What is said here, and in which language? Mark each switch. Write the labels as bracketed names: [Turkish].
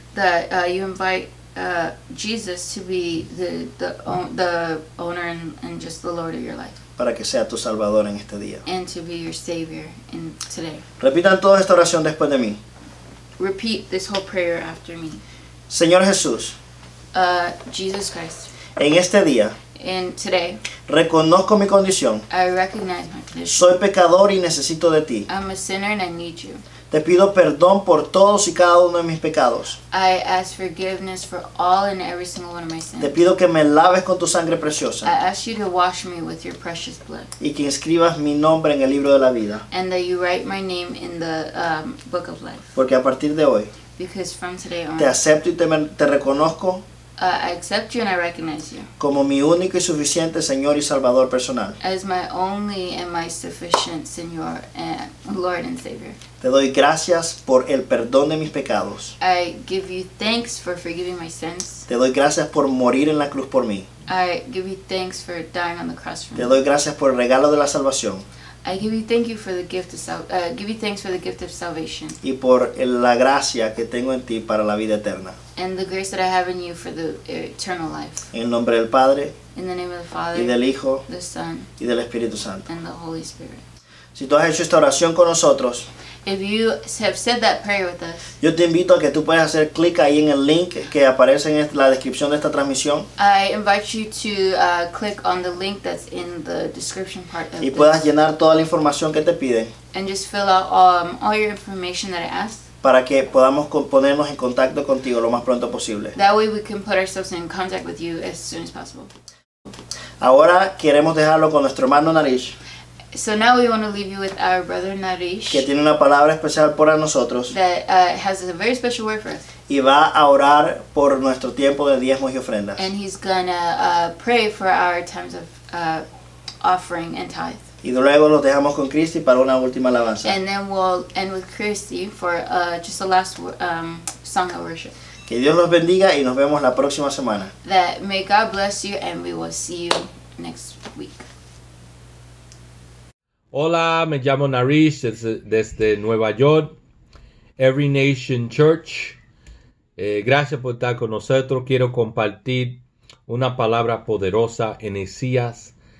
[English] That you invite Jesus to be the owner and just the Lord of your life. [Spanish] Para que sea tu Salvador en este día. [English] And to be your Savior in today. [Spanish] Repitan toda esta oración después de mí. [English] Repeat this whole prayer after me. [Spanish] Señor Jesús. [English] Jesus Christ. [Spanish] En este día. [English] And today. [Spanish] Reconozco mi condición. [English] I recognize my condition. [Spanish] Soy pecador y necesito de ti. [English] I'm a sinner and I need you. [Spanish] Te pido perdón por todos y cada uno de mis pecados. [English] I ask forgiveness for all and every single one of my sins. [Spanish] Te pido que me laves con tu sangre preciosa. [English] I ask you to wash me with your precious blood. [Spanish] Y que inscribas mi nombre en el libro de la vida. [English] And that you write my name in the book of life. [Spanish] Porque a partir de hoy. [English] Because from today on. [Spanish] Te acepto y te reconozco. [English] I accept you and I recognize you. [Spanish] Como mi único y suficiente Señor y Salvador personal. [English] As my only and my sufficient Señor and Lord and Savior. [Spanish] Te doy gracias por el perdón de mis pecados. [English] I give you thanks for forgiving my sins. [Spanish] Te doy gracias por morir en la cruz por mí. [English] I give you thanks for dying on the cross for me. [Spanish] Te doy gracias por el regalo de la salvación. [English] I give you thank you for the gift of give you thanks for the gift of salvation. [Spanish] Y por la gracia que tengo en ti para la vida eterna. [English] And the grace that I have in you for the eternal life. [Spanish] En el nombre del Padre. [English] In the name of the Father. [Spanish] Y del Hijo. [English] The Son. [Spanish] Y del Espíritu Santo. [English] And the Holy Spirit. [Spanish] Si tú has hecho esta oración con nosotros. [English] If you have said that prayer with us. [Spanish] Yo te invito a que tú puedas hacer clic ahí en el link que aparece en la descripción de esta transmisión. [English] I invite you to click on the link that's in the description part of this. [Spanish] Y puedas llenar toda la información que te piden. [English] And just fill out all your information that I asked. [Spanish] Para que podamos ponernos en contacto contigo lo más pronto posible. [English] That way we can put ourselves in contact with you as soon as possible. [Spanish] Ahora queremos dejarlo con nuestro hermano Narish. [English] So now we want to leave you with our brother Narish. [Spanish] Que tiene una palabra especial para nosotros. [English] That has a very special word for us. [Spanish] Y va a orar por nuestro tiempo de diezmos y ofrendas. [English] And he's gonna pray for our times of offering and tithe. [Spanish] Y luego nos dejamos con Christy para una última alabanza. [English] And then we'll end with Christy for just the last song of worship. [Spanish] Que Dios los bendiga y nos vemos la próxima semana. [English] That may God bless you and we will see you next week. [Spanish] Hola, me llamo Narish desde Nueva York, Every Nation Church. Gracias por estar con nosotros. Quiero compartir una palabra poderosa en Isaías.